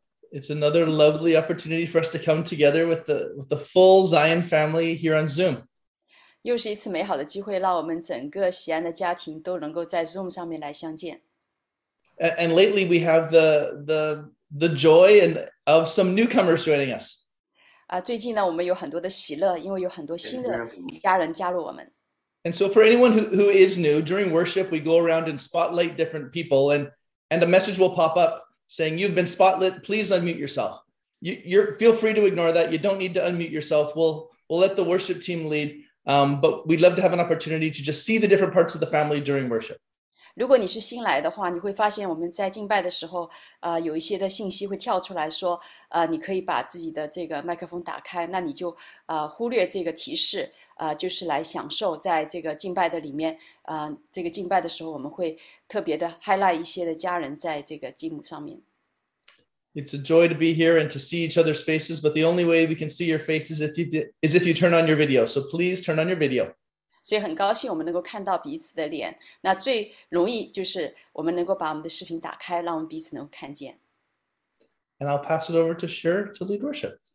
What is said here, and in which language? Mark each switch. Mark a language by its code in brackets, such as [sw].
[en] It's another lovely opportunity for us to come together with the full Zion family here on Zoom. [zh] 又是一次美好的机会，让我们整个喜安的家庭都能够在 Zoom 上面来相见。 [en] And lately we have the joy and of some newcomers joining us. [zh] 最近呢，我们有很多的喜乐，因为有很多新的家人加入我们。 [en] And so for anyone who is new, during worship, we go around and spotlight different people and a message will pop up saying, "You've been spotlit, please unmute yourself." Feel free to ignore that. You don't need to unmute yourself. We'll let the worship team lead. But we'd love to have an opportunity to just see the different parts of the family during worship. [zh] 如果你是新来的话，你会发现我们在敬拜的时候，有一些的信息会跳出来说，你可以把自己的这个麦克风打开，那你就忽略这个提示，就是来享受在这个敬拜的里面，这个敬拜的时候，我们会特别的 highlight 一些的家人在这个祭母上面。 [en] It's a joy to be here and to see each other's faces, but the only way we can see your face is if you turn on your video. So please turn on your video. [zh] 所以很高兴我们能够看到彼此的脸。那最容易就是我们能够把我们的视频打开，让我们彼此能够看见。 [en] And I'll pass it over to Shir to lead worship.